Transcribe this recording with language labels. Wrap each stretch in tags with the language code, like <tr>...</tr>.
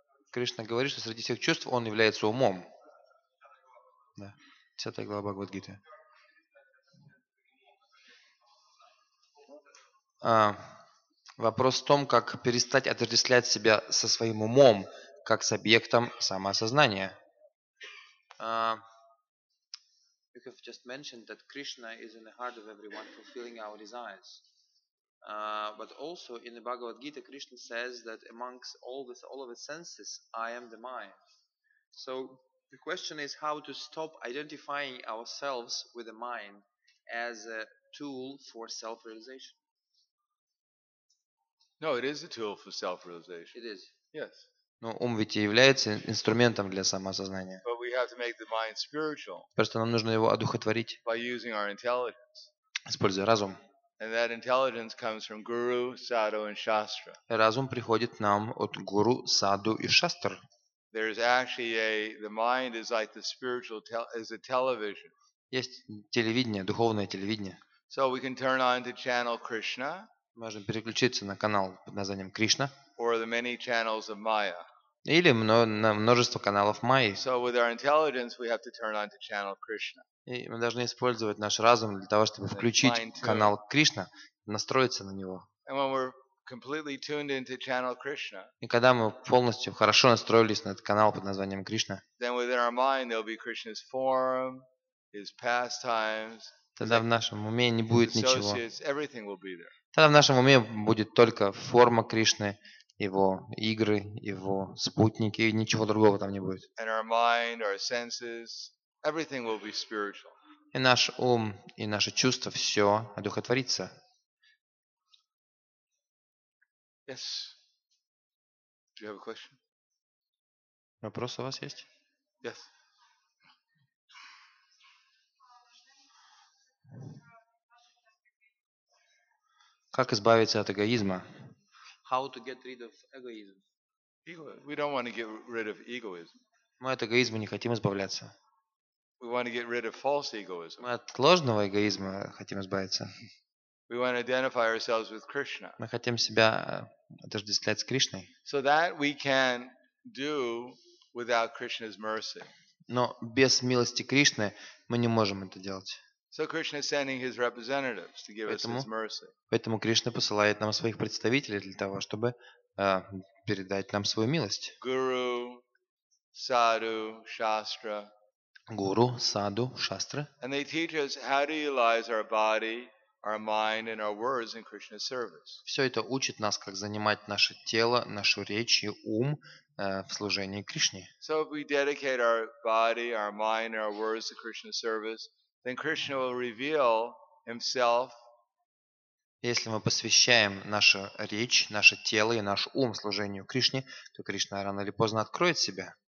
<ru>Кришна говорит, что среди всех чувств он является умом. Да. 10 глава Бхагавад-гиты. Вопрос в том, как перестать отождествлять себя со своим умом, как с объектом самоосознания.</ru> <en>You have just mentioned that Krishna is in the heart of everyone, fulfilling our desires. But also in the Bhagavad Gita, Krishna says that amongst all the senses, I am the mind. So The question is how to stop identifying ourselves with the mind as a tool for self-realization. No, it is a tool for self-realization. It is. Yes.</en> <ru>Но ум ведь и является инструментом для самосознания.</ru> <en>But we have to make the mind spiritual.</en> <ru>Просто нам нужно его одухотворить.</ru> <en>By using our intelligence.</en> <ru>Используя разум.</ru> <en>And that intelligence comes from Guru, Sadhu, and Shastra.</en> <ru>Разум приходит нам от Гуру, Саду и Шастр.</ru> <en>There is actually the mind is like the spiritual is a television.</en> <ru>Есть телевидение, духовное телевидение.</ru> <en>So we can turn on to channel Krishna.</en> <ru>Можно переключиться на канал под названием Кришна.</ru> <en>Or the many channels of Maya.</en> <ru>Или множество каналов Майи.</ru> <en>So with our intelligence we have to turn on to channel Krishna.</en> <ru>И мы должны использовать наш разум для того, чтобы включить канал Кришна, настроиться на него.</ru> <en>And when we're completely tuned into channel Krishna.</en> <ru>И когда мы полностью хорошо настроились на этот канал под названием Кришна.</ru> <en>Then within our mind there'll be Krishna's form, his pastimes.</en> <ru>Тогда в нашем уме не будет ничего.</ru> <en>Everything will be there.</en> <ru>Тогда в нашем уме будет только форма Кришны, его игры, его спутники, и ничего другого там не будет.</ru> <en>And our mind, our senses, everything will be spiritual.</en> <ru>И наш ум, и наши чувства, все одухотворится.</ru> <en>Yes. Do you have a question?</en> <ru>Вопрос у вас есть?</ru> <en>Yes.</en> <ru>Как избавиться от эгоизма?</ru> <en>How to get rid of egoism? Ego. We don't want to get rid of egoism.</en> <ru>Мы от эгоизма не хотим избавляться.</ru> <en>We want to get rid of false egoism.</en> <ru>Мы от ложного эгоизма хотим избавиться.</ru> <en>We want to identify ourselves with Krishna.</en> <ru>Мы хотим себя отождествлять с Кришной.</ru> <en>So that we can do without Krishna's mercy.</en> <ru>Но без милости Кришны мы не можем это делать.</ru> <en>So Krishna is sending his representatives to give us his mercy.</en> <ru>Поэтому Кришна посылает нам своих представителей для того, чтобы передать нам свою милость.</ru> <en>Guru, Sadhu, Shastra. Guru, Sadhu, Shastra. And they teach us how to utilize our body, our mind, and our words in Krishna's service.</en> <ru>Все это учит нас, как занимать наше тело, нашу речь и ум в служении Кришне.</ru> <en>So if we dedicate our body, our mind, and our words to Krishna's service. Then Krishna will reveal himself.</en> <ru>Если мы посвящаем нашу речь, наше тело и наш ум служению Кришне, то Кришна рано или поздно откроет себя.</ru>